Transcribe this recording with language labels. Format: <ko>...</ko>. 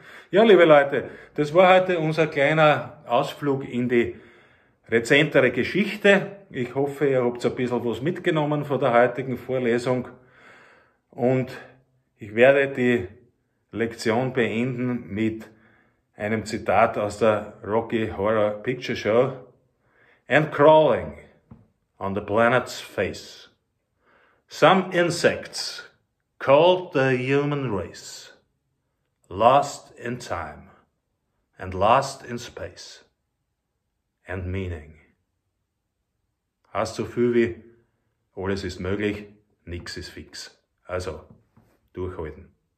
<de>Ja, liebe Leute, das war heute unser kleiner Ausflug in die rezentere Geschichte. Ich hoffe, ihr habt ein bisschen was mitgenommen von der heutigen Vorlesung. Und ich werde die Lektion beenden mit einem Zitat aus der Rocky Horror Picture Show.</de> <en>And crawling on the planet's face, some insects called the human race, lost in time and lost in space and meaning.</en> <de>Hast so viel wie, alles ist möglich, nichts ist fix. Also, durchhalten.</de>